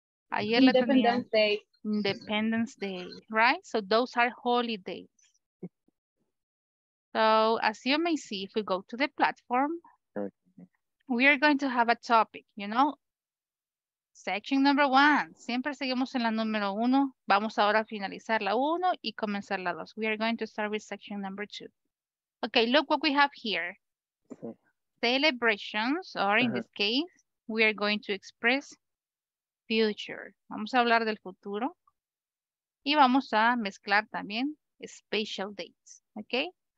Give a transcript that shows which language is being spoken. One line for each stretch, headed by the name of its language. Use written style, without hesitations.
Spanish: Ayer
English: Independence Day. Independence Day, right? So those are holidays. So as you may see, if we go to the platform, we are going to have a topic, you know. Section number one.
Spanish: Siempre seguimos en la número uno. Vamos ahora a finalizar la uno y comenzar la dos.
English: We are going to start with section number two. Okay, look what we have here. Celebrations, or in this case, we are going to express future.
Spanish: Vamos a hablar del futuro. Y vamos a mezclar también
English: special dates.
Spanish: Okay?